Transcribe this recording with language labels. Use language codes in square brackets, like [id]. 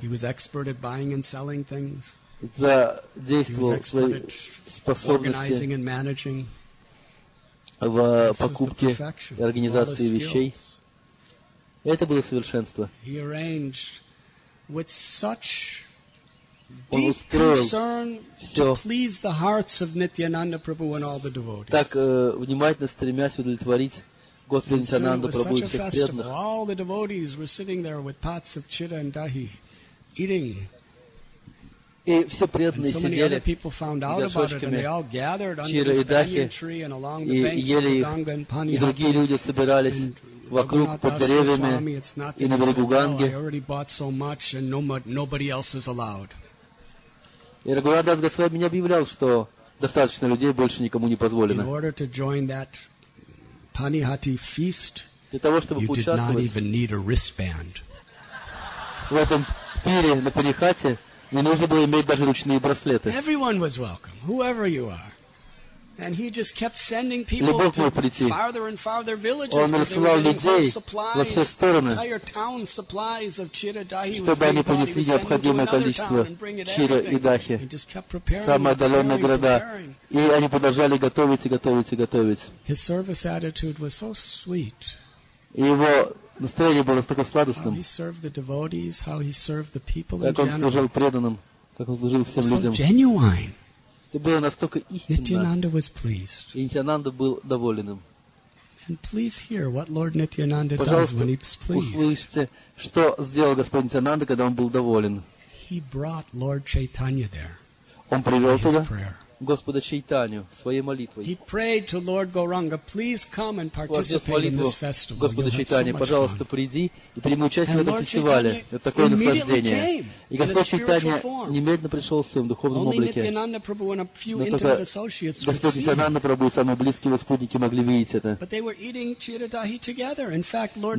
[en] He was expert at buying and selling things. [ru] Задействовал свои способности [en] organizing and managing. [ru] В покупке и организации вещей. Это было совершенство. [en] He arranged with such [ru] Он устроил все так внимательно, стремясь удовлетворить Господь Нитянанда Прабху и всех преданных. [en] All the devotees were sitting there with pots of chitta and dahi, eating. [ru] И все преданные [en] and [ru] сидели [en] so people found out about it, and they all gathered under the banyan tree and along the banks of the Ganga and Panihati. [ru] И другие люди собирались вокруг под деревьями и на берегу Ганги. [en] I already bought so much, and nobody else is allowed. [ru] И Рагхунатдас Госвами не объявлял, что достаточно людей, больше никому не позволено. [en] In order to join that Панихати feast, [ru] для того, чтобы поучаствовать в этом пире на Панихате, не нужно было иметь даже ручные браслеты. [en] Everyone was welcome, whoever you are. And he just kept sending people to farther and farther villages. [ru] Он рассылал людей во все стороны, чтобы они понесли необходимое количество чира и дахи в самые отдаленные города. И они продолжали готовить и готовить и готовить. [en] His service attitude was so sweet. [ru] И его настроение было настолько сладостным. [en] How he served the devotees, how he served the people in [ru] Как он служил преданным, как он служил всем людям. [en] So genuine. [ru] Это было настолько истинно. И Нитянанда был доволен им. Пожалуйста, услышьте, что сделал Господь Нитянанда, когда он был доволен. Он привел туда Господа Чайтаню своей молитвой. [en] He prayed to Lord Gauranga, please come and participate in this festival. [ru] Господа Чайтаня, пожалуйста, приди и прими участие в этом фестивале. Это такое наслаждение. И Господь Чайтаня немедленно пришел в своем духовном облике. Но только Господь Нитьянанда Прабху и самые близкие его спутники могли видеть это. [en] But they were eating Chiradahi together. In fact, Lord